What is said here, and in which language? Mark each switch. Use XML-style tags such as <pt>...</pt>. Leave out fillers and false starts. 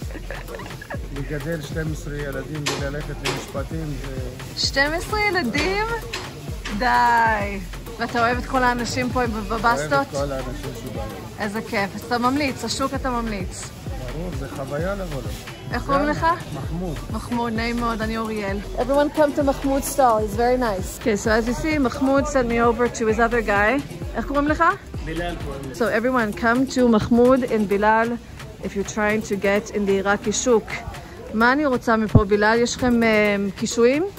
<en>I have 12 children to go to the hospital. 12 children? Die.</en> <he>ואתה אוהב את כל האנשים פה עם בבסטות? אוהב את כל האנשים שבאים. איזה כיף. אז אתה ממליץ, השוק אתה ממליץ. ברור, זה חוויה לבוא. איך קוראים לך? מחמוד. מחמוד, נעים מאוד, אני אוריאל.</he> <en>Everyone come to מחמוד stall, it's very nice. Okay, so as you see, מחמוד sent me over to his other guy.</en> <he>איך קוראים לך? בילאל קוראים</he> <en>לך. So everyone come to מחמוד and בילאל if you're trying to get in the Iraqi shuk.</en> <he>מה אני רוצה מפה, בילאל? יש לכם קישואים?</he>